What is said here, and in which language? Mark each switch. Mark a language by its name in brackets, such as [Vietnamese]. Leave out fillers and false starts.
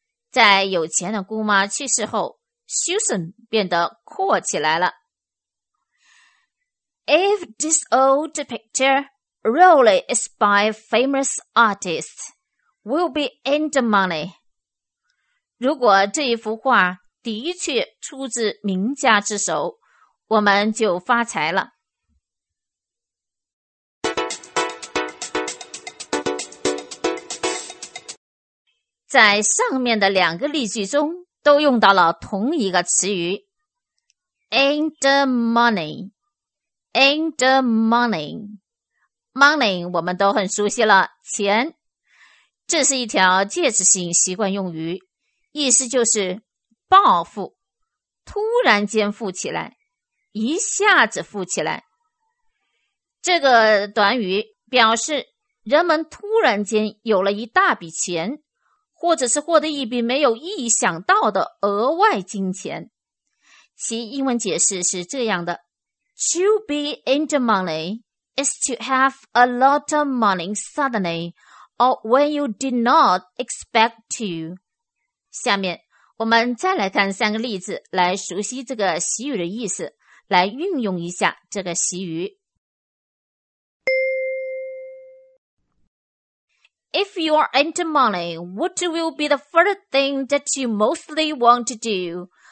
[Chinese] 在有钱的姑妈去世后， Susan 变得阔起来了。 [English] If this old picture really is by famous artist, we'll be in the money. [Chinese] 如果这一幅画的确出自名家之手，我们就发财了。在上面的两个例句中都用到了同一个词语 in the money。 In the money 我们都很熟悉了，钱。这是一条介词性习惯用语，意思就是暴富，突然间富起来，一下子富起来。这个短语表示人们突然间有了一大笔钱，或者是获得一笔没有意想到的额外金钱。其英文解释是这样的， [English] To be in the money is to have a lot of money suddenly or when you did not expect to. [Chinese] 下面我们再来看三个例子，来熟悉这个习语的意思，来运用一下这个习语。 [English] If you are in the money, what will be the first thing that you mostly want to do?